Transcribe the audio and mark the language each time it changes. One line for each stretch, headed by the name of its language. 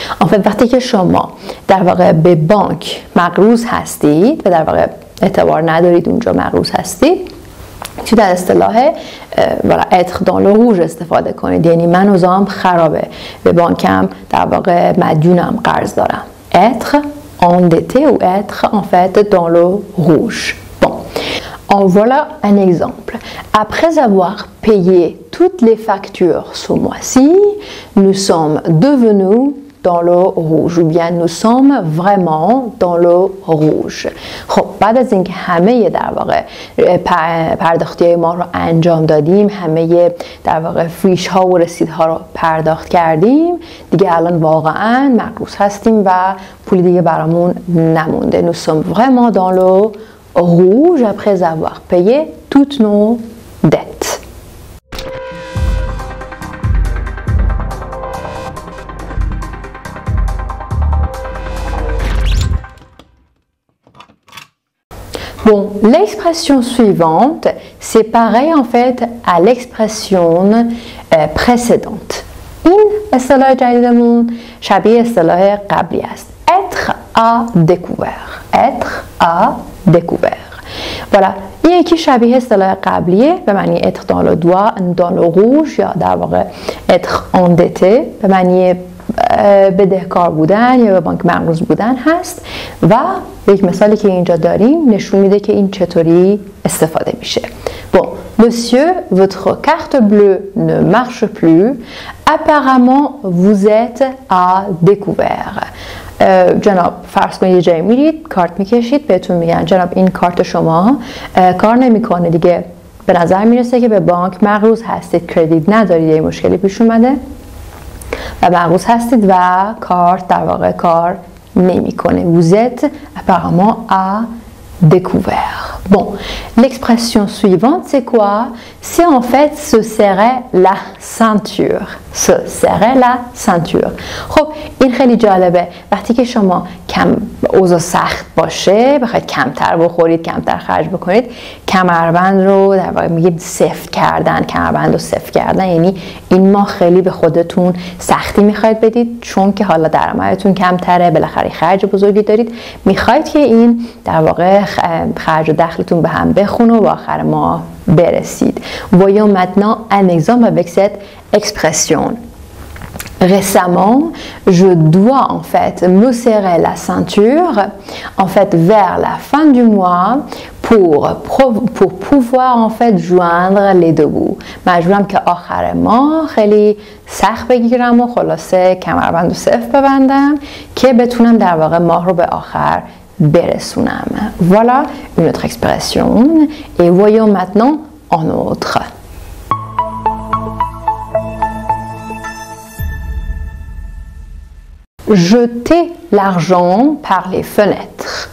French: En fait,
Persian: وقتی که شما در واقع به بانک مقروض هستید و در واقع اعتبار ندارید اونجا مقروض هستید، تو در اصطلاح
French: être dans le rouge
Persian: استفاده کنید، یعنی من اوضاعم خرابه، به بانکم در واقع مدیونم، قرض دارم.
French: Être endetté ou être en fait dans le rouge. Bon, en voilà un exemple. Après avoir payé toutes les factures ce mois-ci, nous sommes devenus dans le rouge. Ou bien nous sommes vraiment dans le rouge.
Persian: خب بعد از اینکه همه در واقع پرداختی ما رو انجام دادیم، همه در واقع فیش ها و رسید ها رو پرداخت کردیم، دیگه الان واقعا مقروض هستیم و پول دیگه برامون نمونده.
French: Nous sommes vraiment dans le rouge après avoir payé toutes nos dettes. Bon, l'expression suivante, c'est pareil en fait à l'expression précédente. In est-ce que j'ai dit être à découvert. Être à découvert. Voilà.
Persian: یکی شبیه اصطلاح قبلیه به معنی
French: être dans le droit, dans le rouge،
Persian: یا در واقع
French: être endetté
Persian: به معنی بدهکار بودن یا به بانک مقروض بودن هست. و یک مثالی که اینجا داریم نشون میده که این چطوری استفاده میشه.
French: Bon, monsieur, votre carte bleue ne marche plus. Apparemment, vous êtes à découvert.
Persian: جناب، فرض کنید یه جایی میرید، کارت میکشید، بهتون میگن جناب این کارت شما کار نمیکنه دیگه، به نظر میرسه که به بانک مقروض هستید، کردیت ندارید، یه مشکلی پیش اومده و مقروض هستید و کارت در واقع کار نمیکنه.
French: Vous êtes apparemment à découvert. Bon, l'expression suivante, c'est quoi? C'est en fait se serrer la ceinture. Se serrer la ceinture.
Persian: خب این خیلی جالبه. وقتی که شما کم اوضاع سخت باشه، بخواید کمتر بخورید، کمتر خرج بکنید، کمربند رو در واقع میگید سفت کردن، کمربند رو سفت کردن، یعنی این ما خیلی به خودتون سختی میخواید بدید چون که حالا درآمدتون کمتره، بالاخره خرج بزرگی دارید، میخواید که این در واقع خرج و دخلتون به هم بخونه و آخر ماه برسید.
French: Voyons maintenant un exemple avec cette expression. Récemment, je dois en fait me serrer la ceinture en fait vers la fin du mois pour pouvoir en fait joindre les deux bouts.
Persian: مجبورم که آخر ماه خیلی سخت بگیرم و خلاصه کمربند و سفت ببندم که بتونم در واقع ماه رو به آخر برسونم.
French: Voilà une autre expression. Et voyons maintenant en autre. Jeter l'argent par les fenêtres.